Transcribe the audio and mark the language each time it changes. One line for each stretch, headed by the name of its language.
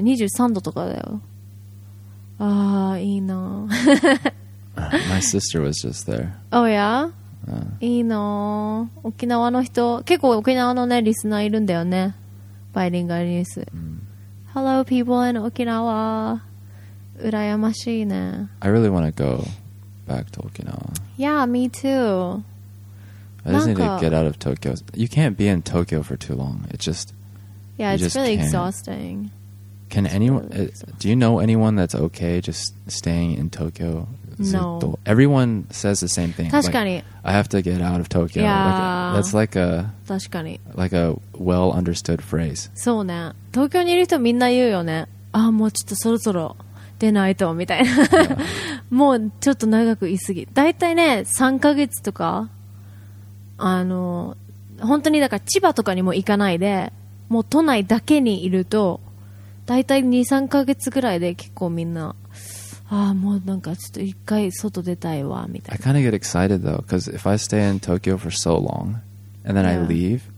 Japanese: 23度とかだよ。あー、いいな。
English: My sister was just there. Oh yeah?
Japanese: いいの。沖縄の人、結構沖縄のね、リスナーいるんだよね。バイリンガルニュース。
English: Hello people in Okinawa.
Japanese: 羨ましいね。
English: I really want to go back to Okinawa. Yeah, me too. I just need to get out of Tokyo. You can't be in Tokyo for too long. It's just... Yeah, it's really exhausting. Can anyone... Do you know anyone that's okay just staying in Tokyo? No. Everyone says the same thing.
Japanese: 確かに.
English: Like, I have to get out of Tokyo. Yeah. Like, that's like a...
Japanese: 確かに.
English: Like a well-understood phrase.
Japanese: そうね. 東京にいる人みんな言うよね.ああ、 もうちょっとそろそろ 出ないとみたいな. もうちょっと長くいすぎ.大体ね 3ヶ月とか あの、本当にだから千葉とかにも行かないで、もう都内だけにいると、大体 2、3ヶ月ぐらいで結構みんな、ああ、もうなんかちょっと一回外出たいわ、みたいな。
English: I kind of get excited though, because if I stay in Tokyo for so long, and then yeah. I leave,